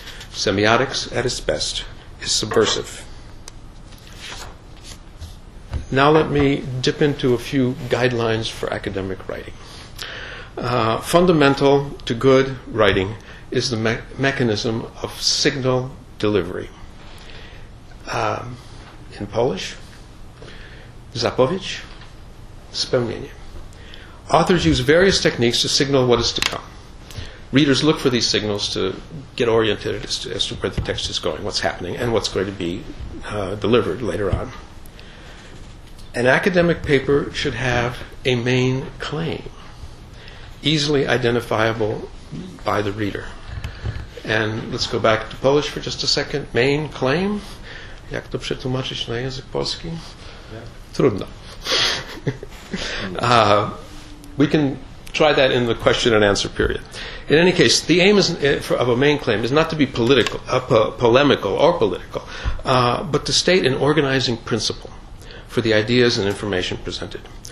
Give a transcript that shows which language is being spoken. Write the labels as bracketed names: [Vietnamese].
[English] Semiotics, at its best, is subversive. Now let me dip into a few guidelines for academic writing. Fundamental to good writing is the mechanism of signal delivery. In Polish, zapowiedź, wspomnienie. Authors use various techniques to signal what is to come. Readers look for these signals to get oriented as to where the text is going, what's happening, and what's going to be delivered later on. An academic paper should have a main claim, easily identifiable by the reader. And let's go back to Polish for just a second. Main claim? [Polish] Jak to przetłumaczyć na język polski? Trudno. [English] We can try that in the question and answer period. In any case, the aim of a main claim is not to be political, polemical or political, but to state an organizing principle for the ideas and information presented.